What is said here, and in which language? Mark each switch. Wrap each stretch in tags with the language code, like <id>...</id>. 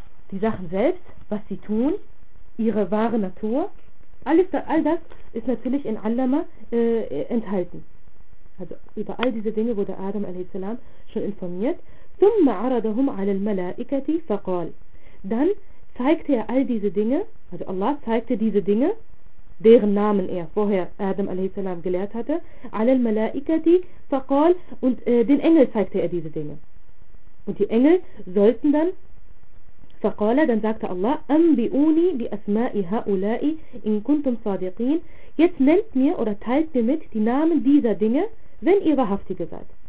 <de>Die Sachen selbst, was sie tun, ihre wahre Natur, all das ist natürlich in Allama enthalten. Also über all diese Dinge wurde Adam a.s. schon informiert.</de> <ar>ثُمَّ عَرَدَهُمْ عَلَى الْمَلَائِكَةِ فَقَالْ.</ar> <de>Dann zeigte er all diese Dinge, also Allah zeigte diese Dinge, deren Namen er vorher Adam a.s. gelehrt hatte,</de> <ar>عَلَى الْمَلَائِكَةِ فَقَالْ.</ar> <de>Und den Engel zeigte er diese Dinge. Und die Engel sollten dann, فقال, dann sagte Allah,</de> <ar>أَنْبِئُونِي بِأَسْمَاءِ هَؤُلَاءِ إِنْ كُنْتُمْ صَادِقِينَ.</ar> <de>Jetzt nennt mir oder teilt mir mit die Namen dieser Dinge, wenn ihr Wahrhaftige seid.</de>